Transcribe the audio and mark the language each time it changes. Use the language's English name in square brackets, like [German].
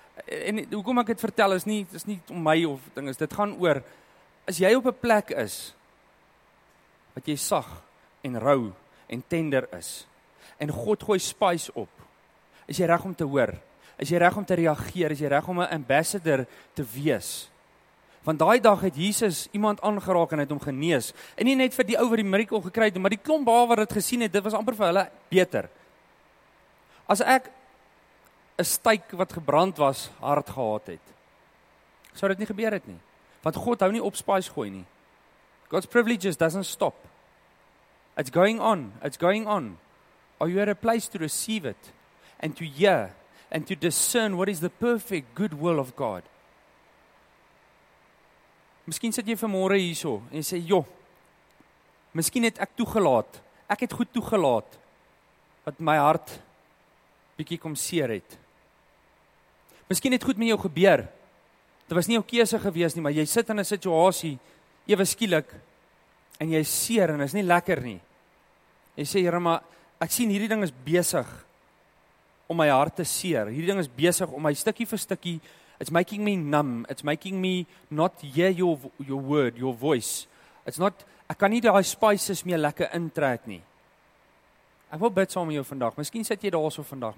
[Afrikaans] En hoekom ek dit vertel is nie om my of ding is. Dit gaan oor as jy op 'n plek is wat jy sag en rou en tender is en God gooi spice op. Is jy reg om te hoor? Is jy reg om te reageer? Is jy reg om 'n ambassador te wees? Want daai dag het Jesus iemand aangeraak en het hom genees. En nie net vir die ou wat die miracle gekry het, maar die klomp baa wat dit gesien het, dit was amper vir hulle beter. As ek 'n steik wat gebrand was, hard gehad het, sou dit nie gebeur het nie. Want God hou nie op spice gooi nie. [English] God's privileges doesn't stop. It's going on, it's going on. Are you at a place to receive it and to hear and to discern what is the perfect good will of God? [Afrikaans] Miskien sit jy vanmôre hierso en jy sê, "Jo, miskien het ek toegelaat. Ek het goed toegelaat wat my hart bietjie kom seer het. Miskien het goed met jou gebeur. Dit was nie jou keuse gewees nie, maar jy sit in 'n situasie ewe skielik en jy is seer en is nie lekker nie. Jy sê, "Here, maar ek sien hierdie ding is besig om my hart te seer. Hierdie ding is besig om my stukkie vir stukkie [English] It's making me numb. It's making me not hear your word, your voice. It's not, [Afrikaans] ek kan nie die spices meer lekker intrek nie. Ek wil bid saam met jou vandag. Miskien sit jy daar so vandag.